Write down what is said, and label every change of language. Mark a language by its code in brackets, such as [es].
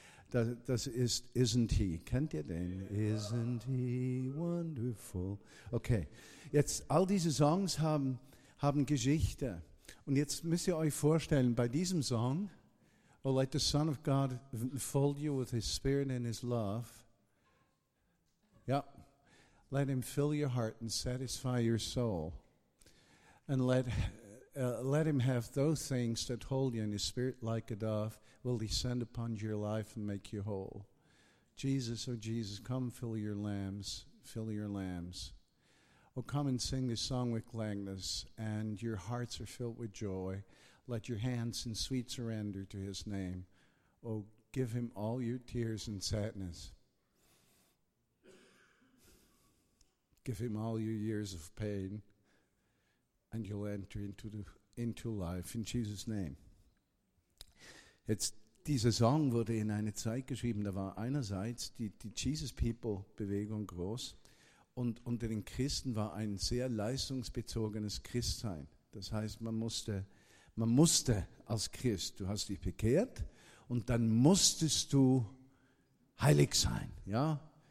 [de] Das ist Isn't He. Kennt ihr den? Isn't He Wonderful? Okay, jetzt all diese Songs haben Geschichte. Und jetzt müsst ihr euch vorstellen, bei diesem Song, [en] Oh, let the Son of God fold you with His Spirit and His love. [de] Ja, [en] Let him fill your heart and satisfy your soul. And let him have those things that hold you, and his spirit, like a dove, will descend upon your life and make you whole. Jesus, oh Jesus, come fill your lambs, fill your lambs. Oh, come and sing this song with gladness, and your hearts are filled with joy. Let your hands in sweet surrender to his name. Oh, give him all your tears and sadness. Give him all your years of pain, and you'll enter into life in Jesus' name. [de] Jetzt, dieser Song wurde in eine Zeit geschrieben, da war einerseits die Jesus-People-Bewegung groß, und unter den Christen war ein sehr leistungsbezogenes Christsein. Das heißt, man musste als Christ, du hast dich bekehrt, und dann musstest du heilig sein, ja?